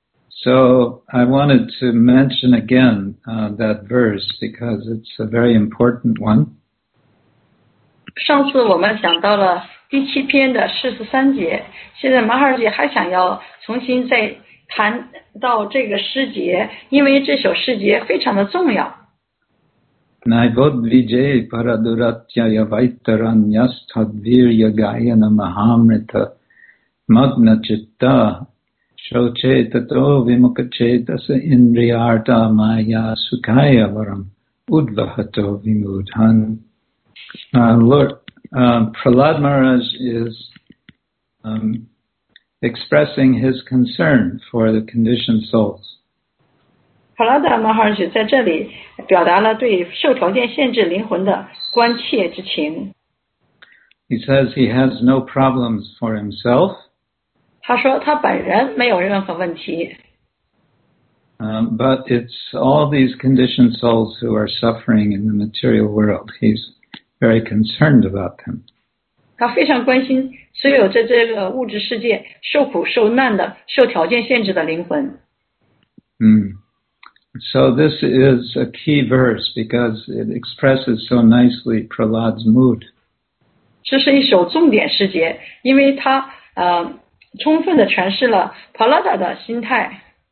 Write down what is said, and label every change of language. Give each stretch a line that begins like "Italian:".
English: So I wanted to mention again that verse because it's a very important one.
Chinese: 上次我们讲到了第七篇的43节, 现在马哈尔姐还想要重新再谈到这个诗节, 因为这首诗节非常的重要。
Sanskrit: Naivod Vijay Paraduratya Yavaitaranyas Tadvirya Gayana Mahamrita Magna Chitta Shocetato Vimukachetasa Indriyarta Maya Sukhaya Varam Udvahato Vimudhan.
English: Prahlad Maharaj is expressing his concern for the conditioned souls.
Chinese: Prahlada Maharaj 在这里表达了对受条件限制灵魂的关切之情。
English: He says he has no problems for himself.
Chinese: 他说他本人没有任何问题。
English: But it's all these conditioned souls who are suffering in the material world. He's very concerned about them.
Chinese: 他非常关心所有在这个物质世界受苦受难的受条件限制的灵魂。
English: So this is a key verse because it expresses so nicely Prahlad's mood.
Chinese: 这是一首重点诗节，因为它充分地诠释了 Prahlada 的心态。